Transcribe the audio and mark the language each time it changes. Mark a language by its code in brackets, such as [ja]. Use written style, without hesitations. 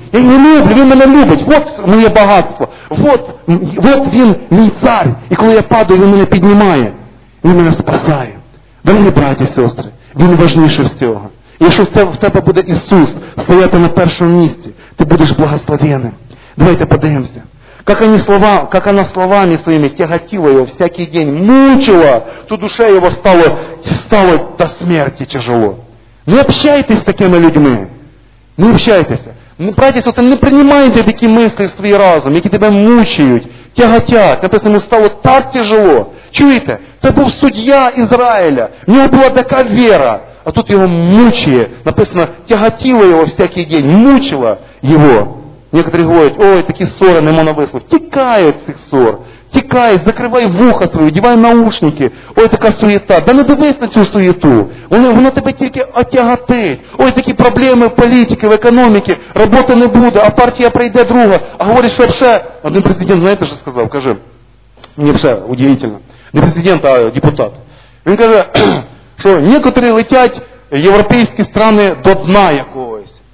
[uk] Я його люблю, він мене любить. От моє багатство. От він, мій цар. І коли я падаю, він мене піднімає. Він мене спасає. Дорогі браті і сестри, він важніший всього. І якщо в тебе буде Ісус стояти на першому місці, ти будеш благословенним. Давайте подивимося. [ru] Как она словами своими тяготила его всякий день, мучила, то душе его стало до смерти тяжело. Не общайтесь с такими людьми. Не общайтесь. Братья, сестры, не принимайте такие мысли в свой разум, которые тебя мучают, тяготят. Написано, ему стало так тяжело. Чуете? Это был судья Израиля. У него была такая вера. А тут его мучает. Написано, тяготило его всякий день. Мучило его. Некоторые говорят, ой, такие ссоры, не можно выслушать. Текают с этих ссор. текай, закрывай в ухо свое, одевай наушники. Ой, такая суета. [uk] Да не дивись на цю суету. Воно тебе тільки отяготить. Ой, такі проблеми в політиці, в економіці. Роботи не буде, а партія прийде друга. А говорить, що вже... Один президент, знаєте, що сказав? Каже, мені вже удивительно. Не президент, а депутат. Він каже, що некоторі летять європейські країни до дна якогось.